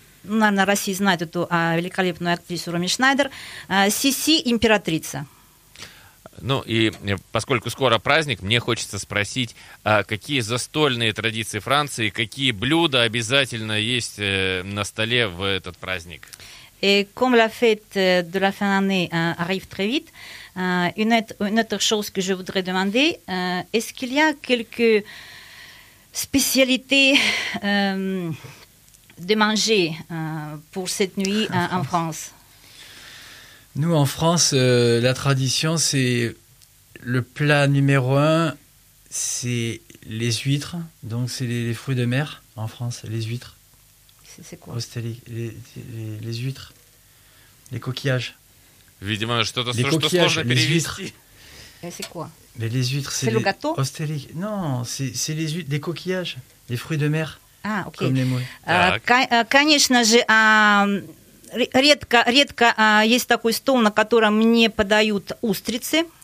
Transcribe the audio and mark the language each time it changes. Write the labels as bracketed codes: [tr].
[ru] наверное, Россия знает эту великолепную актрису Роми Шнайдер, «Сиси, императрица». Ну и поскольку скоро праздник, мне хочется спросить, а какие застольные традиции Франции, какие блюда обязательно есть на столе в этот праздник? [fr] Et comme la fête de la fin d'année arrive très vite, une autre chose que je voudrais demander, est-ce qu'il y a quelques spécialités de manger pour cette nuit en France? Nous, en France, la tradition, c'est le plat numéro un, c'est les huîtres. Donc, c'est les fruits de mer en France, les huîtres. C'est quoi? Les huîtres. Les coquillages. Évidemment, je t'entends. Les coquillages, les huîtres. C'est quoi? Mais les huîtres, c'est le gâteau? Ostéli. Non, c'est les huîtres, des coquillages, les fruits de mer. Ah, ok. Comme les mouilles. [ru] Конечно же, редко есть такой стол, на котором мне подают устрицы.